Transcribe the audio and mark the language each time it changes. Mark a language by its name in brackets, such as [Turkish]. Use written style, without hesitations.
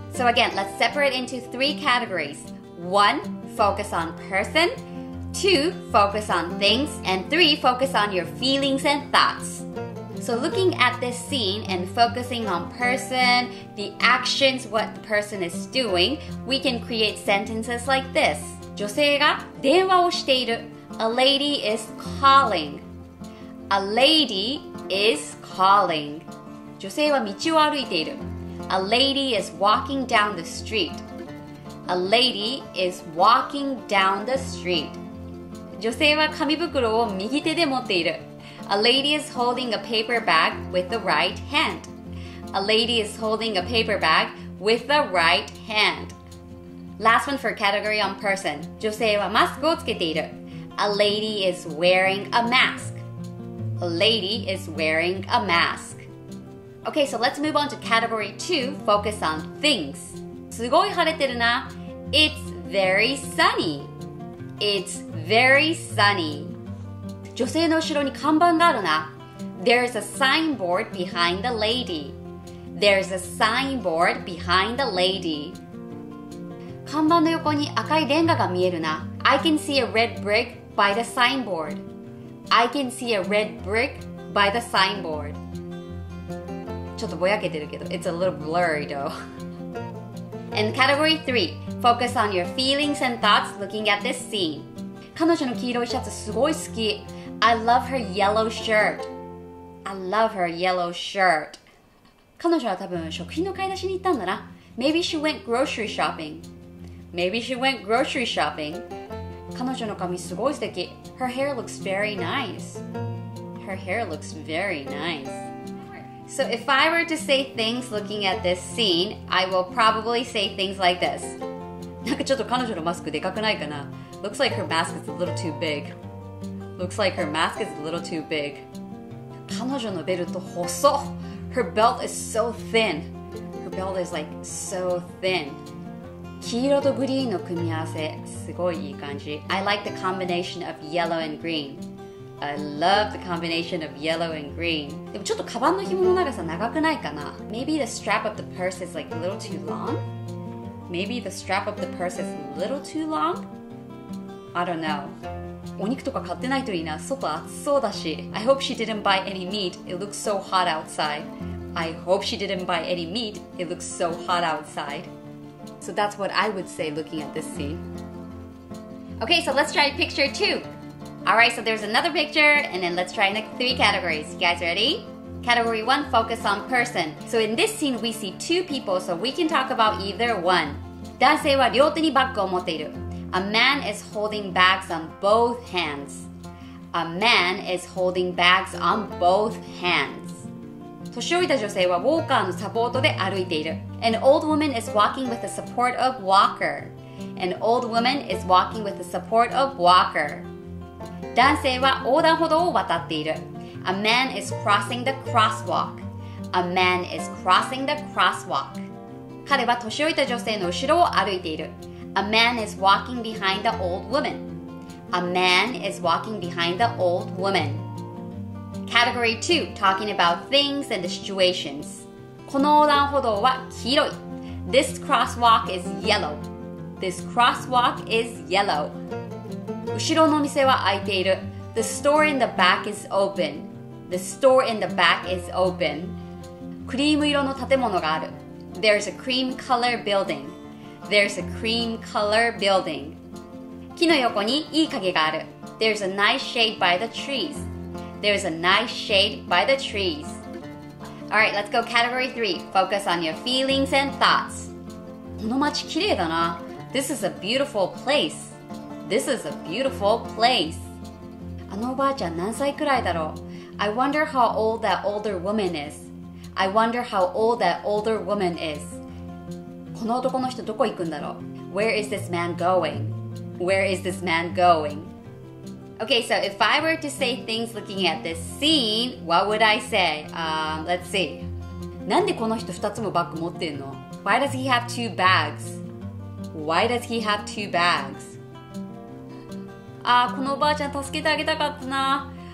[English] So again, let's separate into three categories. One, focus on person. Two, focus on things. And three, focus on your feelings and thoughts. So looking at this scene and focusing on person, the actions, what the person is doing, we can create sentences like this. [Japanese] 女性が電話をしている。 [English] A lady is calling. A lady is calling. [Japanese] 女性は道を歩いている。 [English] A lady is walking down the street. A lady is walking down the street. [Japanese] 女性は紙袋を右手で持っている。 [English] A lady is holding a paper bag with the right hand. A lady is holding a paper bag with the right hand. Last one for category on person. [Japanese] 女性はマスクをつけている。 [English] A lady is wearing a mask. A lady is wearing a mask. Okay, so let's move on to category 2, focus on things. [Japanese] すごい晴れてるな。 [English] It's very sunny. It's very sunny. [Japanese] 女性の後ろに看板があるな。 [English] There's a signboard behind the lady. There's a signboard behind the lady. [Japanese] 看板の横に赤いレンガが見えるな。 [English] I can see a red brick by the signboard. I can see a red brick by the signboard. [Japanese] ちょっとぼやけてるけど、 [English] It's a little blurry though. And category 3, focus on your feelings and thoughts looking at this scene. [Japanese] 彼女の黄色いシャツすごい好き。 [English] I love her yellow shirt. I love her yellow shirt. [Japanese] 彼女は多分食品の買い出しに行ったんだな。 [English] Maybe she went grocery shopping. Maybe she went grocery shopping. [Japanese] 彼女の髪すごい素敵。 [English] Her hair looks very nice. Her hair looks very nice. So if I were to say things looking at this scene, I will probably say things like this. [Japanese] なんかちょっと彼女のマスクでかくないかな? [English] Looks like her mask is a little too big. Looks like her mask is a little too big. [Japanese] 彼女のベルト細。 [English] Her belt is so thin. Her belt is like so thin. [Japanese] 黄色とグリーンの組み合わせ、すごいいい感じ。 [English] I like the combination of yellow and green. I love the combination of yellow and green. [Japanese] でもちょっとカバンの紐の長さ長くないかな? [English] Maybe the strap of the purse is like a little too long? Maybe the strap of the purse is a little too long? I don't know. [Japanese] お肉とか買ってないといいな。外暑そうだし。 [English] I hope she didn't buy any meat. It looks so hot outside. I hope she didn't buy any meat. It looks so hot outside. So that's what I would say looking at this scene. Okay, so let's try picture two. Alright, so there's another picture, and then let's try the three categories. You guys ready? Category one, focus on person. So in this scene, we see two people, so we can talk about either one. [Japanese] 男性は両手にバッグを持っている。 [English] A man is holding bags on both hands. A man is holding bags on both hands. [Japanese] 年老いた女性はウォーカーのサポートで歩いている。 [English] An old woman is walking with the support of walker. An old woman is walking with the support of walker. [Japanese] 男性は横断歩道を渡っている。 [English] A man is crossing the crosswalk. A man is crossing the crosswalk. [Japanese] 彼は年老いた女性の後ろを歩いている。 [English] A man is walking behind the old woman. A man is walking behind the old woman. Category 2, talking about things and situations. [Japanese] この横断歩道は黄色い。 [English] This crosswalk is yellow. This crosswalk is yellow. [Japanese] 後ろの店は開いている。 [English] The store in the back is open. The store in the back is open. [Japanese] クリーム色の建物がある。 [English] There's a cream color building. There's a cream color building. [Japanese] 木の横にいい影がある。 [English] There's a nice shade by the trees. There's a nice shade by the trees. All right, let's go category 3. Focus on your feelings and thoughts. [Japanese] この街綺麗だな。 [English] This is a beautiful place. This is a beautiful place. [Japanese] あのおばあちゃん何歳くらいだろう? [English] I wonder how old that older woman is. I wonder how old that older woman is. [Japanese] この男の人どこ行くんだろう? [English] Where is this man going? Where is this man going? Okay, so if I were to say things looking at this scene, what would I say? Let's see. [Japanese] なんでこの人2つもバッグ持ってんの? [English] Why does he have two bags? Why does he have two bags? [Japanese] ああ、このおばあちゃん助けてあげたかったな。